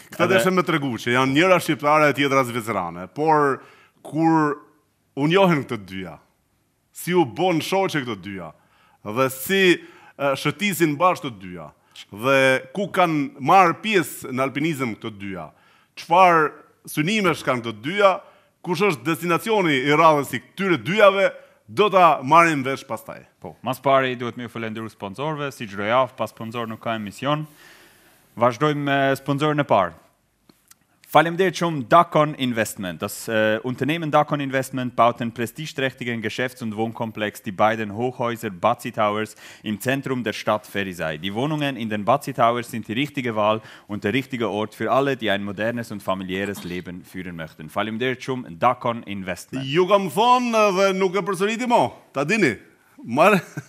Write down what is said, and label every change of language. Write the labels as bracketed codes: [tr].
[sq] Këtë deshe me tregu që janë njëra shqiptare e tjetra zvicrane, por kur unjohen këtë dyja, si u bon shoqe këtë dyja, dhe si shëtisin bashkë këtë dyja, dhe ku kanë marë pjesë në alpinizm këtë dyja, qëfar synimesh kanë këtë dyja, kush është destinacioni i radhës i këtyre dyjave, do të marim vesh pastaj. Po, mas pari duhet me falenderu sponsorve, si gjdo jaf, pas sponsor nuk ka emision. Vazhdojmë me sponsorën e parë. Faleminderit shumë Dakon Investment. [de] Das Unternehmen Dakon Investment baut den prestigeträchtigen Geschäfts- und Wohnkomplex die beiden Hochhäuser Bazzi Towers im Zentrum der Stadt Ferizaj. Die Wohnungen in den Bazzi Towers sind die richtige Wahl und der richtige Ort für alle, die ein modernes und familiäres Leben führen möchten. [sq] Faleminderit shumë Dakon Investment. Ju kam thonë dhe nuk e përsëriti më. Ta dini. Marë.